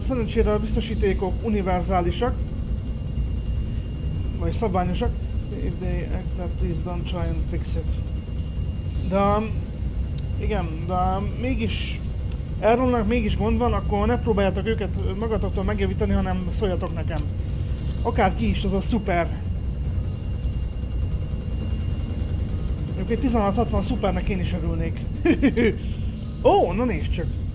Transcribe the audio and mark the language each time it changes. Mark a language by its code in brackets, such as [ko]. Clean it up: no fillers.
[hu] Szerencsére a biztosítékok univerzálisak. Vagy szabványosak. [en] If they act up, please don't try and fix it. [hu] De igen, de mégis Erronnak mégis gond van, akkor ne próbáljátok őket magatoktól megjavítani, hanem szóljatok nekem. Akárki is, az a szuper. Egy 1660 szupernek én is örülnék. Ó, oh, na nézd csak.